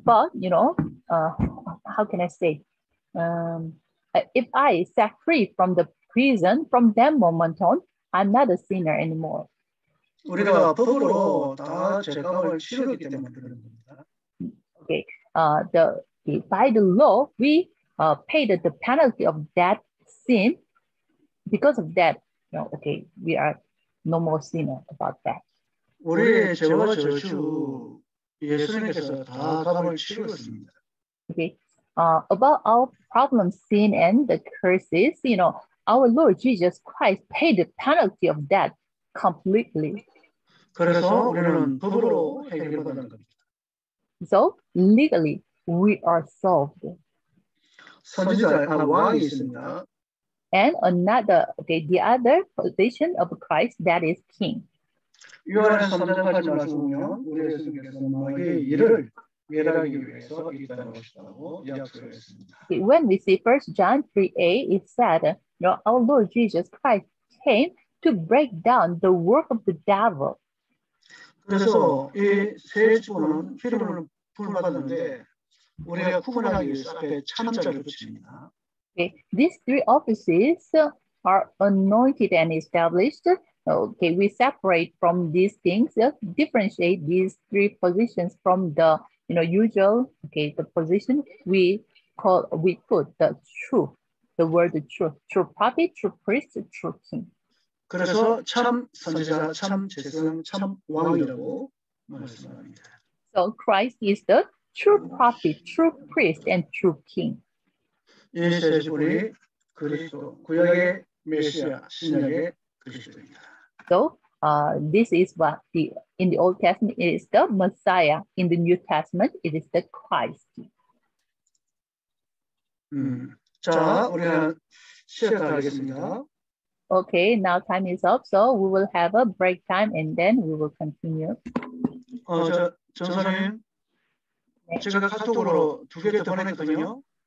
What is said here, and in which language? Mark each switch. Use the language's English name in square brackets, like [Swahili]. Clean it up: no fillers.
[English] Okay, but you know, how can I say? If I set free from the prison from that moment on, I'm not a sinner anymore. [Korean] 우리가 법으로 다 죄값을 치르기 때문에 그런 겁니다. [English] Okay, by the law we paid the penalty of that sin. Because of that, you know, okay, we are. No more sinner about that. [Korean] 우리 죄와 저주 예수님께서 다 값을 치르셨습니다. [English] Okay. About our problem, sin and the curses, you know, our Lord Jesus Christ paid the penalty of that completely. [Korean] 그래서 우리는 법으로 해결받은 겁니다. [English] So legally, we are solved. [Korean] 선지자 왕이 있습니다. [English] And another, okay, the other position of Christ, that is king. [Korean] 요한 3장 8절 말씀은요, 우리 예수님께서 마귀의 일을 멸하기 위해서 이 땅에 오셨다고 약속했습니다. [English] When we see 1 John 3:8, it said, you know, our Lord Jesus Christ came to break down the work of the devil. [Korean] 그래서 이 세 주문은 기름을 부음받았는데 우리가 구분하기 위해서 앞에 참자를 붙입니다. [English] Okay. These three offices are anointed and established. Okay, we separate from these things, differentiate these three positions from the you know usual. Okay, the position we put the truth, the word truth, true prophet, true priest, true king. [Korean] 그래서 참 선지자, 참 제사장, 참 왕이라고 말씀합니다. [English] So Christ is the true prophet, true priest, and true king. [Korean] 이 세주분이 그리스도, 구약의 메시아, 신약의 그리스도입니다. [English] So, this is what the in the Old Testament it is the Messiah. In the New Testament, it is the Christ. [Korean] 자, 우리가 시작하겠습니다. [English] Okay, now time is up. So we will have a break time and then we will continue. [Korean] 저 전사님, 네. 제가 카톡으로 두 개 더 보냈거든요.